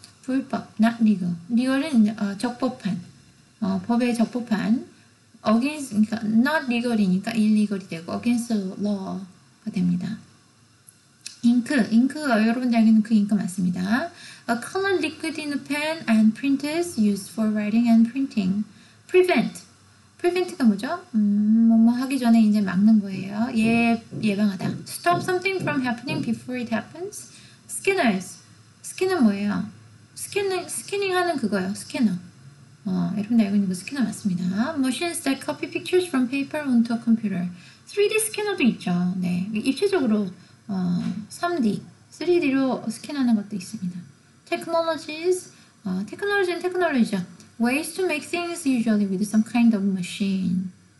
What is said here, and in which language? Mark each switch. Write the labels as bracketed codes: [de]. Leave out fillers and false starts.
[ko] 불법, [en] not legal. [ko] Legal은 적법한. 법에 적법한. Against, 그러니까 [en] not legal [ko] 이니까 illegal이 되고 [en] against law [ko] 가 됩니다. Ink, ink 여러분들에게는 그 잉크 맞습니다. [en] A colored liquid in a pen and printers used for writing and printing. [ko] Prevent, prevent가 뭐죠? 뭐 하기 전에 이제 막는 거예요. 예방하다. [en] Stop something from happening before it happens. [ko] Scanners, scanner 뭐예요? 스캐닝 하는 그거요. 스캐너. 여러분들 알고 있는 거 스캐너 맞습니다. [en] Machines that copy pictures from paper onto a computer. [ko] 3D 스캐너도 있죠. 네, 입체적으로 3D, 3D로 스캔하는 것도 있습니다. [en] Technologies, technology and technology죠. Ways to make things usually with some kind of machine.